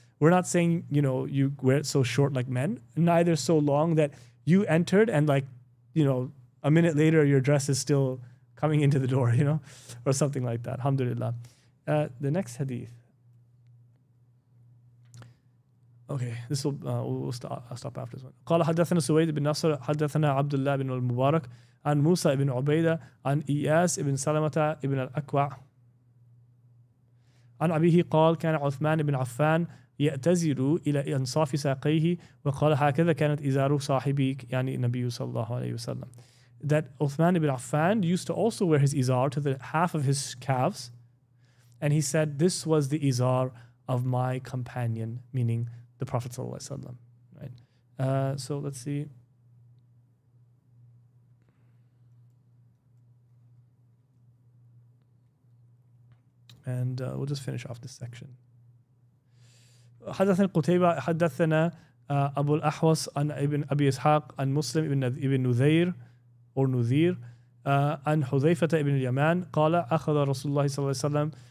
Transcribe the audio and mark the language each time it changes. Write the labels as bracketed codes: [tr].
[en] We're not saying, you know, you wear it so short like men, neither so long that you entered and like, you know, a minute later your dress is still coming into the door, you know, or something like that. Alhamdulillah. The next hadith. Okay, this will we'll stop after this one. [ar] قال حدثنا سويد بن نصر حدثنا عبد الله بن المبارك عن موسى بن عبيدة عن إياس بن سلمة بن الأكوع عن أبيه قال كان عثمان بن عفان يأتزر إلى أنصاف ساقيه وقال هكذا كانت إزار صاحبيك يعني النبي صلى الله عليه وسلم. [en] That Uthman ibn Affan used to also wear his izar to the half of his calves, and he said this was the izar of my companion, meaning the Prophet ﷺ, right? So let's see. And we'll just finish off this section. [ar] حدثنا قتيبة حدثنا أبو الأحوص عن ابن أبي إسحاق عن مسلم ابن نذير أو نذير عن حذيفة ابن اليمان قال أخذ رسول الله صلى الله عليه وسلم